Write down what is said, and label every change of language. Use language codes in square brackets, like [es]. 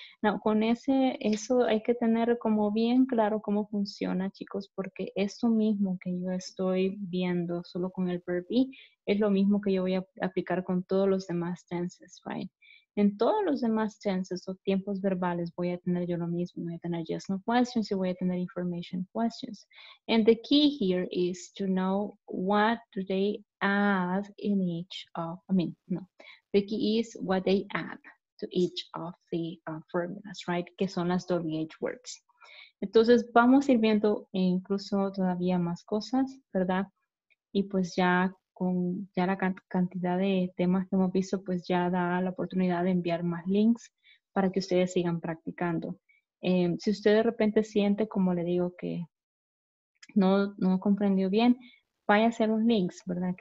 [es] Now, con ese, eso hay que tener como bien claro cómo funciona, chicos, porque esto mismo que yo estoy viendo solo con el verb be es lo mismo que yo voy a aplicar con todos los demás tenses, [en] right? [es] En todos los demás tenses o tiempos verbales voy a tener yo lo mismo. Voy a tener yes, no questions y voy a tener information questions. [en] And the key here is to know what do they add in each of, I mean, no. The key is what they add to each of the formulas, right? [es] Que son las WH words. Entonces, vamos a ir viendo incluso todavía más cosas, ¿verdad? Y pues ya... con ya la cantidad de temas que hemos visto, pues ya da la oportunidad de enviar más links para que ustedes sigan practicando. Si usted de repente siente, como le digo, que no comprendió bien, vaya a hacer los links, ¿verdad?